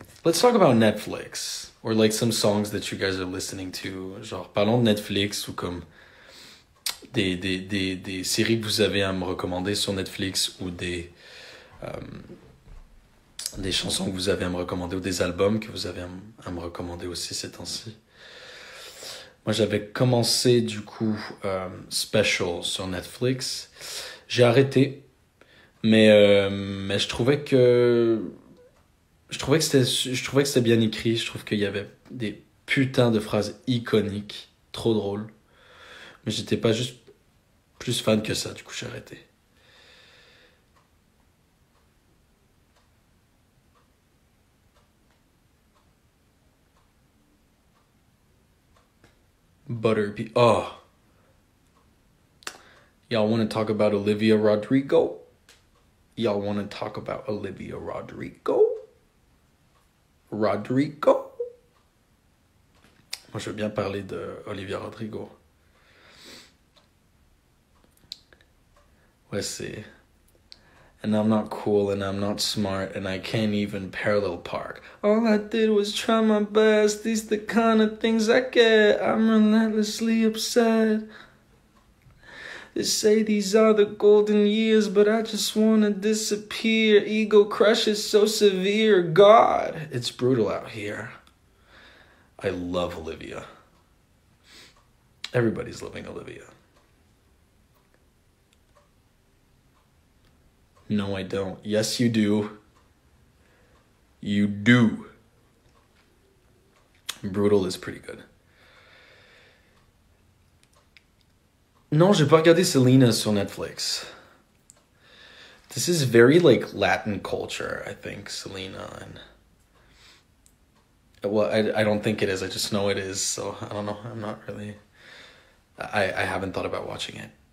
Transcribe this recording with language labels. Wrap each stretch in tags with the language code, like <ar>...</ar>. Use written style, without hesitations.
<en>Let's talk about Netflix. Or like some songs that you guys are listening to.</en> <fr>Genre, parlons de Netflix ou comme des séries que vous avez à me recommander sur Netflix ou des chansons que vous avez à me recommander ou des albums que vous avez à me recommander aussi ces temps-ci. Moi, j'avais commencé du coup Special sur Netflix. J'ai arrêté. Mais je trouvais que c'était bien écrit. Je trouve qu'il y avait des putains de phrases iconiques, trop drôles. Mais j'étais pas juste plus fan que ça, du coup j'ai arrêté.</fr> <en>Butterbean. Oh! Y'all wanna talk about Olivia Rodrigo? Y'all wanna talk about Olivia Rodrigo? Rodrigo?</en> <fr>Moi, je veux bien parler de Olivia Rodrigo. Ouais, c'est.</fr> <en>And I'm not cool and I'm not smart and I can't even parallel park. All I did was try my best. These the kind of things I get. I'm relentlessly upset. They say these are the golden years, but I just wanna disappear. Ego crush is so severe. God, it's brutal out here. I love Olivia. Everybody's loving Olivia. No, I don't. Yes, you do. You do. Brutal is pretty good.</en> <fr>Non, j'ai pas regardé Selena sur Netflix.</fr> <en>This is very like Latin culture, I think, Selena. And well, I don't think it is. I just know it is. So I don't know. I'm not really. I haven't thought about watching it.</en>